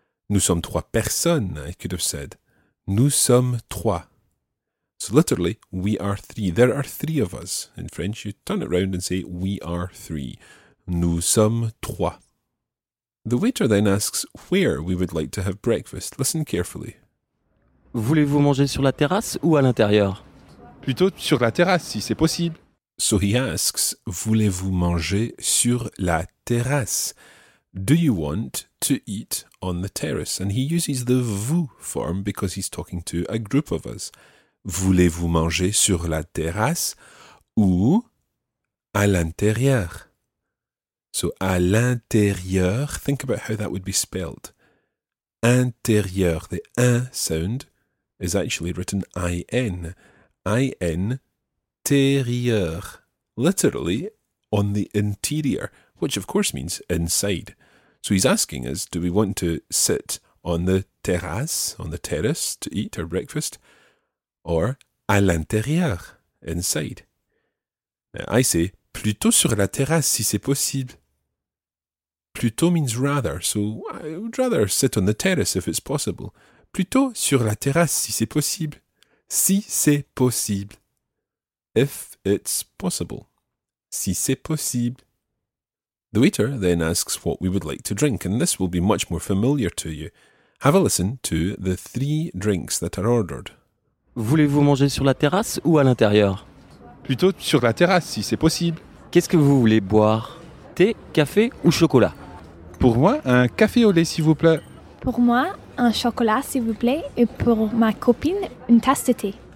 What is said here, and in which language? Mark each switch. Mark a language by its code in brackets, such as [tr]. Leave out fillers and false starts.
[fr] Nous sommes trois personnes, [en] I could have said. [fr] Nous sommes trois. [en] So literally, we are three. There are three of us. In French, you turn it around and say, we are three. [fr] Nous sommes trois. [en] The waiter then asks where we would like to have breakfast. Listen carefully. [fr] Voulez-vous manger sur la terrasse ou à l'intérieur? Plutôt sur la terrasse, si c'est possible. [en] So he asks, [fr] voulez-vous manger sur la terrasse? [en] Do you want to eat on the terrace? And he uses the vous form because he's talking to a group of us. [fr] Voulez-vous manger sur la terrasse ou à l'intérieur? [en] So, à l'intérieur, think about how that would be spelled. Intérieur, the un sound is actually written I-N. I-N-térieur. Literally, on the interior, which of course means inside. So he's asking us, do we want to sit on the terrasse, on the terrace, to eat our breakfast, or à l'intérieur, inside? Now I say, [fr] plutôt sur la terrasse, si c'est possible. [en] Plutôt means rather, so I would rather sit on the terrace if it's possible. [fr] Plutôt sur la terrasse, si c'est possible. Si c'est possible. [en] If it's possible. [fr] Si c'est possible. [en] The waiter then asks what we would like to drink, and this will be much more familiar to you. Have a listen to the three drinks that are ordered. [fr] Voulez-vous manger sur la terrasse ou à l'intérieur? Plutôt sur la terrasse, si c'est possible. Qu'est-ce que vous voulez boire? Thé, café ou chocolat? Pour moi, un café au lait, s'il vous plaît. Pour moi, un chocolat, s'il vous plaît. Et pour ma copine, une tasse de thé.